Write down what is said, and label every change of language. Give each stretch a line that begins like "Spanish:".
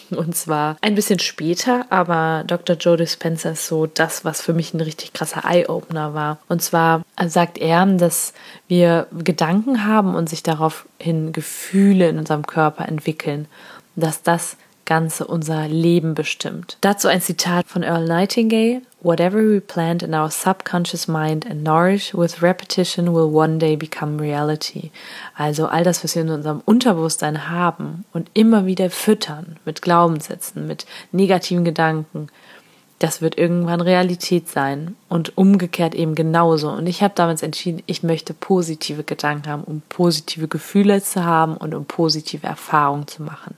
German: Und zwar ein bisschen später, aber Dr. Joe Dispenza ist so das, was für mich ein richtig krasser Eye-Opener war. Und zwar sagt er, dass wir Gedanken haben und sich daraufhin Gefühle in unserem Körper entwickeln. Dass das Ganze unser Leben bestimmt. Dazu ein Zitat von Earl Nightingale.
English: Whatever we plant in our subconscious mind and nourish with repetition will one day become reality.
German: Also all das, was wir in unserem Unterbewusstsein haben und immer wieder füttern mit Glaubenssätzen, mit negativen Gedanken, das wird irgendwann Realität sein. und umgekehrt eben genauso. Und ich habe damals entschieden, ich möchte positive Gedanken haben, um positive Gefühle zu haben und um positive Erfahrungen zu machen.